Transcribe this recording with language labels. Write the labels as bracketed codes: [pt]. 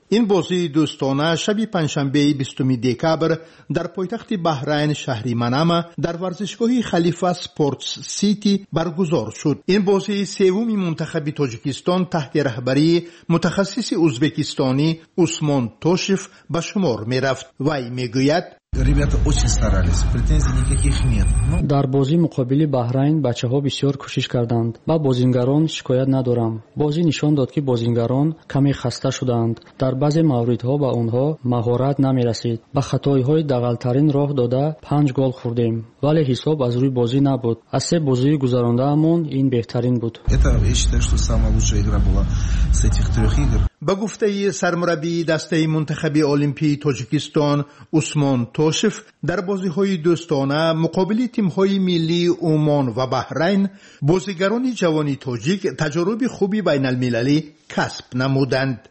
[fa] این بازی دوستانه شب پنجشنبه 20 دکبر در پایتخت بحرین شهری منما در ورزشگاه خلیفه سپورتس سیتی برگزار شد. این بازی سوم منتخب تاجیکستان تحت رهبری متخصص ازبکستانی عثمان توشف به شمار می رفت. وی می گوید: [ru] ребята очень старались, претензий никаких нет. [tg] Дар бози муқобили Баҳрайн бачаҳо бисёр кӯшиш карданд. Ба бозингарон шикоят надорам. Бози нишон дод ки бозингарон каме хаста шуданд. Дар баъзе мавридҳо ба онҳо маҳорат намерасид. Ба хатоиҳои дағалтарин роҳ дода 5 гол хӯрдем. Вале ҳисоб аз рӯи бози набуд. Аз се бозии гузарондаамон ин беҳтарин буд. [ru] Это я считаю, что самая лучшая игра была с этих трёх игр. [tg] Ба гуфтаи сармураббии дастаи мунтахаби олимпии Тоҷикистон Усмон Тошев, дар бозиҳои дӯстона муқобили тимҳои миллии Умон ва Баҳрайн, бозигарони ҷавони тоҷик таҷориби хуби байналмилалӣ касб намуданд.